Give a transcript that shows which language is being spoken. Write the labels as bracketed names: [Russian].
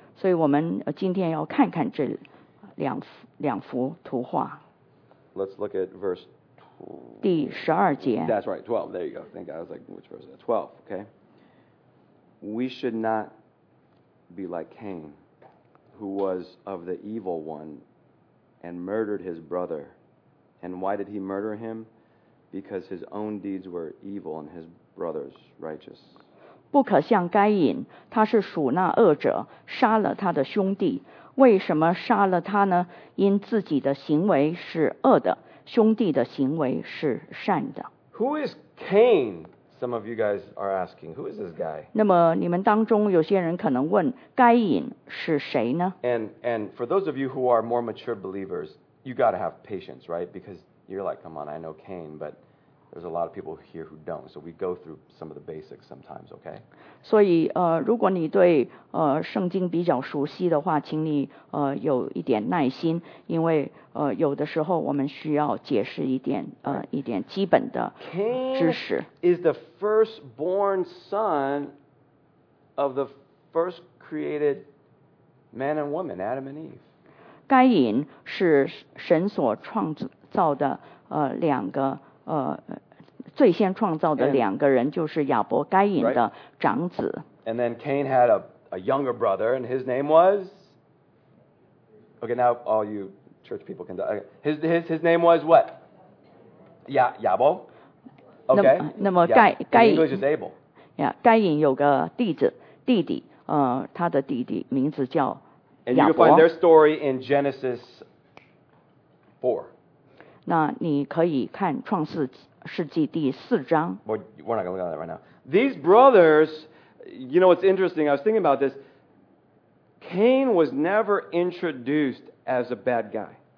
[Chinese] 所以我们今天要看看这两幅图画。 [English] Let's look at verse 12. That's right, 12. There you go. Thank God. I was like, which verse is that? 12, okay? We should not be like Cain, who was of the evil one and murdered his brother. And why did he murder him? Because his own deeds were evil and his brother's righteous. [Chinese] 不可像该隐，他是属那恶者，杀了他的兄弟。为什么杀了他呢？因自己的行为是恶的，兄弟的行为是善的。 [English] Who is Cain? Some of you guys are asking. Who is this guy? [Chinese] 那么你们当中有些人可能问，该隐是谁呢？ [English] And for those of you who are more mature believers, you got to have patience, right? Because you're like, come on, I know Cain, but there's a lot of people here who don't. So we go through some of the basics sometimes, okay? [Chinese] 所以如果你对圣经比较熟悉的话，请你有一点耐心，因为有的时候我们需要解释一点基本的知识。 [English] Cain is the firstborn son of the first created man and woman, Adam and Eve. [Chinese] 该隐是神所创造的两个最先创造的两个人就是亚伯该隐的长子。 [English] Right. And then Cain had a younger brother, and his name was. Okay, now all you church people can. His name was what? Yabo. Okay. [Chinese] 那么该隐 [English] English is Abel. [Chinese] Yeah, 该隐有个弟弟，他的弟弟名字叫亚伯。 [English] And you can find their story in Genesis 4. [Chinese] 那你可以看创世纪。世纪第四章。 [English] We're not going to look at that right now. These brothers, you know what's interesting? I was thinking about this. Cain was never introduced as a bad guy.